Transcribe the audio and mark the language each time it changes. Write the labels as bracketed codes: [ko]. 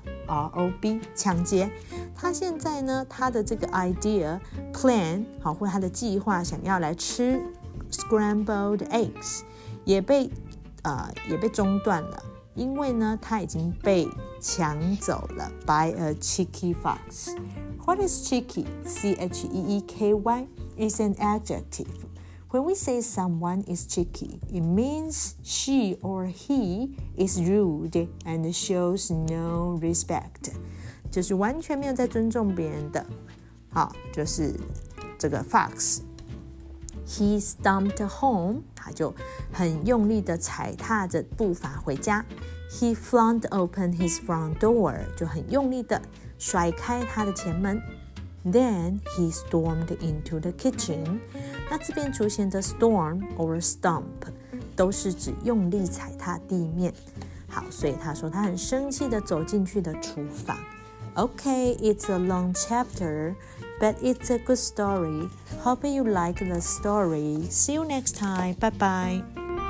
[zh] R-O-B, 抢劫他现在呢他的这个 idea, plan, 好或他的计划想要来吃 scrambled eggs, 也被中断了因为呢他已经被抢走了 [en] by a cheeky fox. What is cheeky? C-H-E-E-K-Y is an adjective. When we say someone is cheeky, it means she or he is rude and shows no respect. [zh] 就是完全没有在尊重别人的。好，就是这个 [en] fox. He stomped home. [zh] 他就很用力地踩踏着步伐回家。 [en] He flung open his front door. [zh] 就很用力地甩开他的前门。 [en] Then he stormed into the kitchen. [zh] 那这边出现的 storm or stomp 都是指用力踩踏地面。好，所以他说他很生气地走进去的厨房。 [en] Okay, it's a long chapter, but it's a good story. Hope you like the story. See you next time. Bye bye.